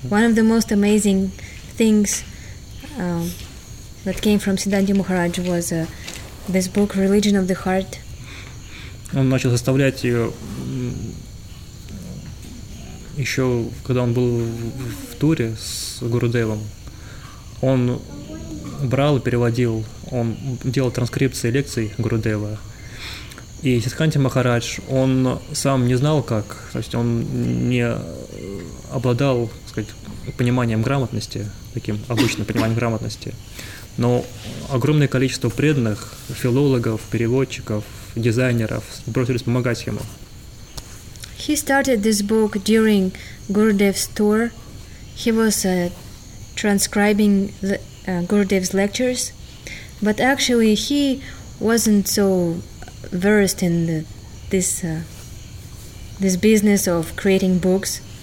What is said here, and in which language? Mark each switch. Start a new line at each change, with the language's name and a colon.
English: One of the most amazing things that came from Siddhanti Maharaj was this book, Religion of the Heart.
Russian: Он начал составлять ее еще, когда он был в туре с Гурудевом. Он брал и переводил, он делал транскрипции лекций Гурудева. И Сиддханти Махарадж, он сам не знал как, то есть он не обладал, так сказать, пониманием грамотности, таким обычным пониманием грамотности, но огромное количество преданных, филологов, переводчиков, дизайнеров бросились помогать ему.
English: He started this book during Gurudev's tour. He was transcribing Gurudev's lectures, but actually he wasn't so versed in this business of creating books.